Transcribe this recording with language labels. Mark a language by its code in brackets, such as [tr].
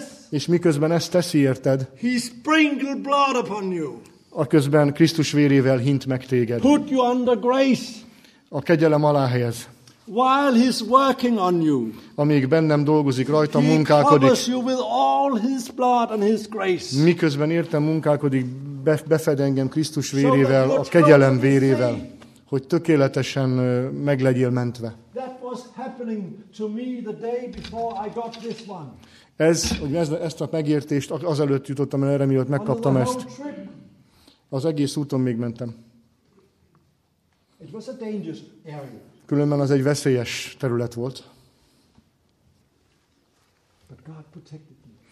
[hu] És miközben ezt teszi, érted? [en] He sprinkled blood upon you. [hu] Aközben Krisztus vérével hint meg téged. [en] Put you under grace. [hu] A kegyelem alá helyez. [en] While he's working on you. [hu] Amíg bennem dolgozik, rajta munkálkodik. [en] He covers you with all his blood and his grace. [hu] Miközben értem munkálkodik, befed engem Krisztus vérével, a kegyelem vérével. Hogy tökéletesen meg legyél mentve. [en] That was happening to me the day before I got this one. [hu] Ezt a megértést azelőtt jutottam el erre, mióta megkaptam ezt. Az egész úton még mentem. [en] It was a dangerous area. [hu] Különben az egy veszélyes terület volt. [en] But God protected me.